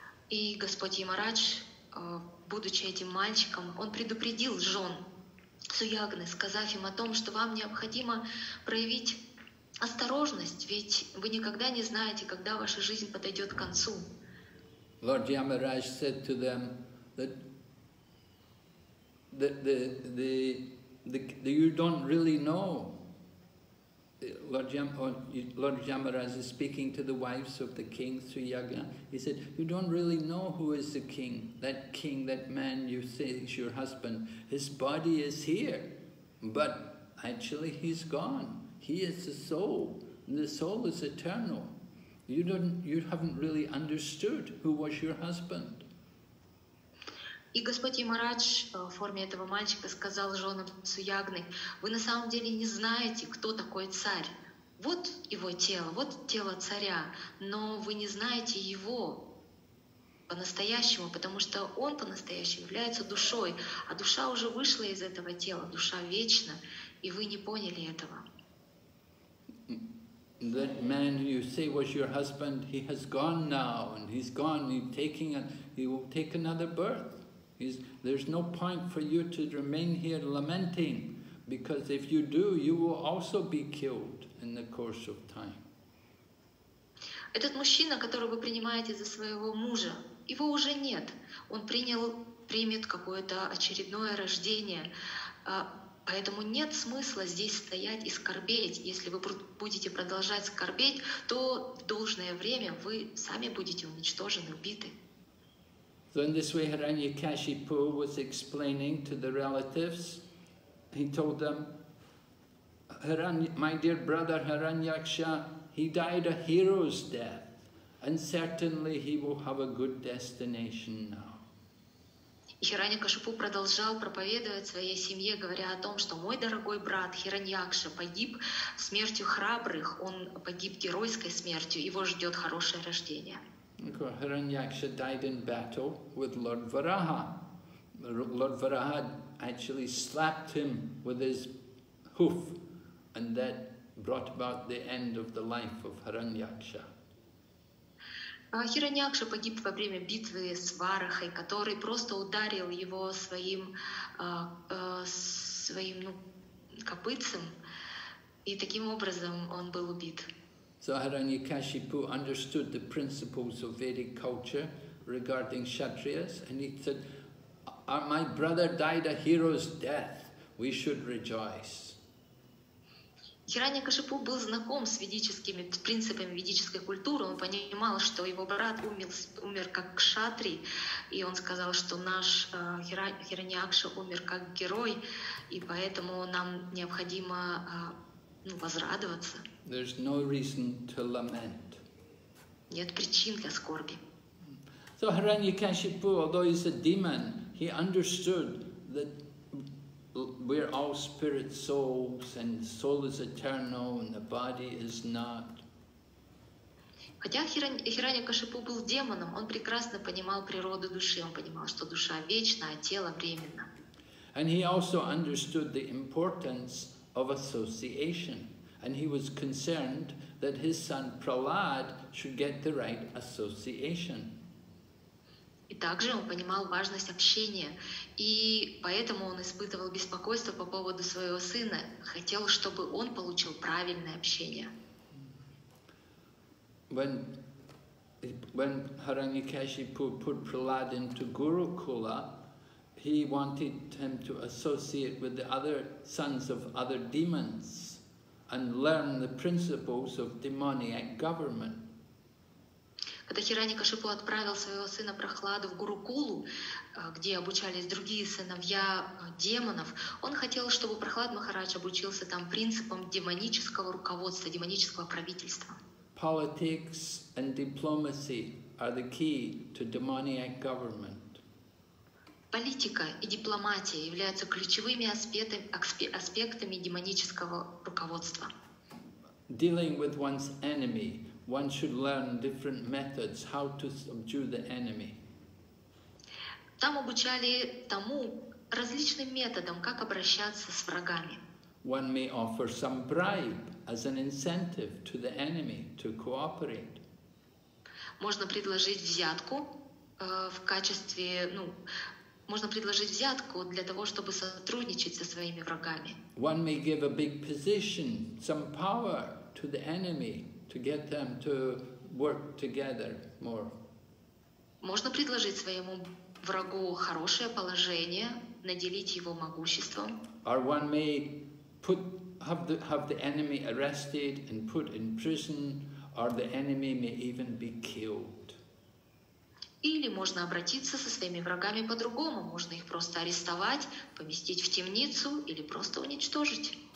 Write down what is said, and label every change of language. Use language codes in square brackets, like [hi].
[ru] И Господь Ямарадж, будучи этим мальчиком, он предупредил жен Суягны, сказав им о том, что вам необходимо проявить осторожность, ведь вы никогда не знаете, когда ваша жизнь подойдет к концу. [en] Lord Yamaraj said to them that you don't really know. Lord Yamaraj is speaking to the wives of the king Suyagna. He said, you don't really know who is the king, that man you say is your husband. His body is here, but actually he's gone. He is the soul, and the soul is eternal. You haven't really understood who was your husband. [ru] И Господь Ямарадж в форме этого мальчика сказал женам Суягны, вы на самом деле не знаете, кто такой царь. Вот его тело, вот тело царя, но вы не знаете его по-настоящему, потому что он по-настоящему является душой, а душа уже вышла из этого тела, душа вечна, и вы не поняли этого. [en] That man you say was your husband, he has gone now, and he's gone, he will take another birth. There's no point for you to remain here lamenting, because if you do, you will also be killed in the course of time. [ru] Этот мужчина, которого вы принимаете за своего мужа, его уже нет. Он примет какое-то очередное рождение. Поэтому нет смысла здесь стоять и скорбеть. Если вы будете продолжать скорбеть, то в должное время вы сами будете уничтожены, убиты. [en] So in this way, Hiranyakashipu was explaining to the relatives. He told them, my dear brother Hiranyaksha, he died a hero's death, and certainly he will have a good destination now. [ru] Хираньякашипу продолжал проповедовать своей семье, говоря о том, что мой дорогой брат Хираньякша погиб смертью храбрых, он погиб геройской смертью, его ждет хорошее рождение. [en] Hiranyaksha died in battle with Lord Varaha. Lord Varaha actually slapped him with his hoof, and that brought about the end of the life of Hiranyaksha. [ru] Хираньякша погиб во время битвы с Варахой, который просто ударил его своим копытцем, и таким образом он был убит. [en] So Hiranyakashipu understood the principles of Vedic culture regarding Kshatriyas, and he said, my brother died a hero's death, we should rejoice. [ru] Хираньякашипу был знаком с ведическими принципами ведической культуры, он понимал, что его брат умер как кшатри, и он сказал, что наш Хираньякша умер как герой, и поэтому нам необходимо возрадоваться. [en] There's no reason to lament. [ru] Нет причин для скорби. [en] So Hiranyakashipu, although he's a demon, he understood that we're all spirit souls, and soul is eternal, and the body is not. [ru] Хотя Хиранья-Кашипу был демоном, он прекрасно понимал природу души, он понимал, что душа вечна, а тело временно. [en] And he also understood the importance of association, and he was concerned that his son Prahlad should get the right association. [ru] И также он понимал важность общения, и поэтому он испытывал беспокойство по поводу своего сына, хотел, чтобы он получил правильное общение. [en] when Haranyakashipu put Prahlad into Gurukula, he wanted him to associate with the other sons of other demons and learn the principles of demoniac government. [ru] Когда Хираньякашипу отправил своего сына Прахлада в Гурукулу, где обучались другие сыновья демонов, он хотел, чтобы Прахлад Махарадж обучился там принципам демонического руководства, демонического правительства. [en] Politics and diplomacy are the key to demoniac government. [ru] Политика и дипломатия являются ключевыми аспектами демонического руководства. [en] Dealing with one's enemy. One should learn different methods how to subdue the enemy. [ru] Там обучали тому различным методам, как обращаться с врагами. [en] One may offer some bribe as an incentive to the enemy to cooperate. [ru] Можно предложить взятку в качестве, ну, можно предложить взятку для того, чтобы сотрудничать со своими врагами. [en] One may give a big position, some power to the enemy. To get them to work together more. [ru] Можно предложить своему врагу хорошее положение, наделить его могуществом. [en] Or one may have the enemy arrested and put in prison, or the enemy may even be killed. [ru] Или можно обратиться со своими врагами по-другому. Можно их просто арестовать, поместить в темницу или просто уничтожить.